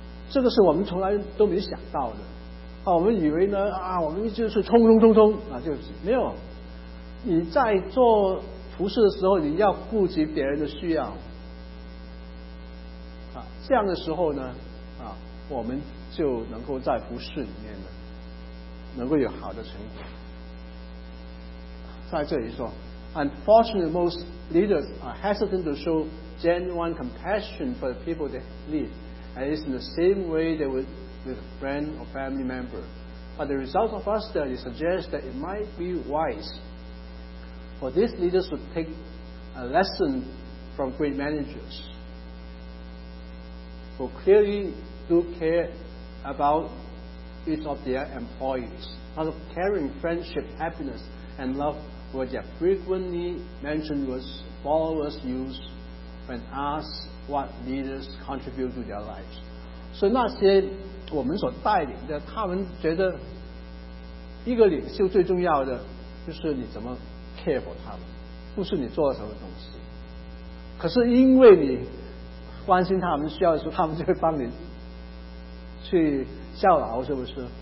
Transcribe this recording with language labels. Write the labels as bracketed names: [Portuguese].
[Chinese] 这个是我们从来都没想到的。我们以为呢，我们就是冲冲冲冲啊，就是没有。你在做服事的时候，你要顾及别人的需要。这样的时候呢，我们就能够在服事里面呢，能够有好的成果。在这里说 [English] ，Unfortunately, most leaders are hesitant to show genuine compassion for the people they lead, and it's in the same way they would with a friend or family member. But the result of our study suggests that it might be wise for these leaders to take a lesson from great managers. Who clearly do care about each of their employees. Out of caring, friendship, happiness, and love were their frequently mentioned words followers use when asked what leaders contribute to their lives. [Chinese] 所以那些我们所带领的，他们觉得一个领袖最重要的就是你怎么 [English] care for [Chinese] 他们，不是你做了什么东西。可是因为你关心他们需要的时候，他们就会帮你去效劳，是不是？